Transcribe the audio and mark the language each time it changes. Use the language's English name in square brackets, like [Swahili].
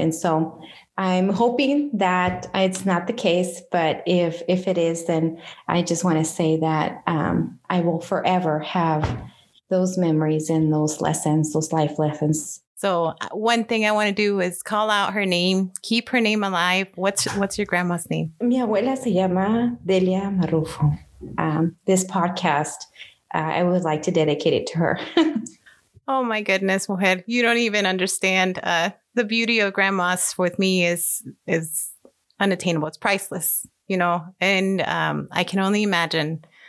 [English] And so I'm hoping that it's not the case, but if it is, then I just want to say that I will forever have those memories and those lessons, those life lessons. So one thing I want to do is call out her name, keep her name alive. What's your grandma's name? [Spanish] Mi abuela se llama Delia Marrufo. [English] This podcast, I would like to dedicate it to her. Oh my goodness, mujer. You don't even understand. The beauty of grandmas with me is unattainable. It's priceless, you know, and I can only imagine.